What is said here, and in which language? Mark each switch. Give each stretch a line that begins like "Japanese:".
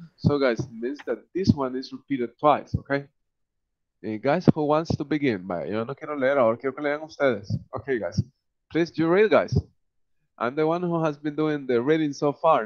English: So, guys, it means that this one is repeated twice, okay? Guys, who wants to begin?
Spanish: Yo no quiero leer, ahora quiero que lean ustedes.
English: Okay, guys. Please, you read, guys. I'm the one who has been doing the reading so far.